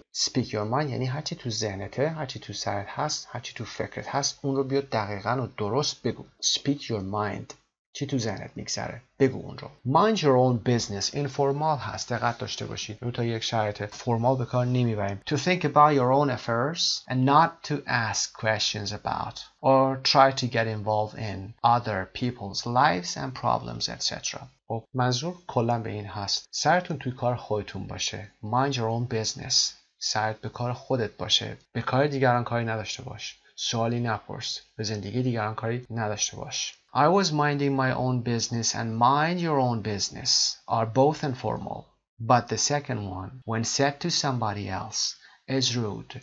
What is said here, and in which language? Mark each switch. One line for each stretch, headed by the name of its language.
English: Speak your mind
Persian: یعنی هرچی تو ذهنته، هرچی تو سرت هست، هرچی تو فکرت هست، اون رو بیا دقیقاً و درست بگو.
English: Speak your mind.
Persian: چی تو ذهنت میگذره؟ بگو اون رو.
English: Mind your own business. Informal
Persian: هست. دقت داشته باشید. اون تا یک شرط فرمال به کار نمیبریم.
English: To think about your own affairs and not to ask questions about or try to get involved in other people's lives and problems, etc.
Persian: خب منظور کلن به این هست. سرتون توی کار خودتون باشه.
English: Mind your own business.
Persian: سرت به کار خودت باشه. به کار دیگران کاری نداشته باش. سوالی نپرس. به زندگی دیگران کاری نداشته باش.
English: I was minding my own business and mind your own business are both informal. But the second one, when said to somebody else, is rude.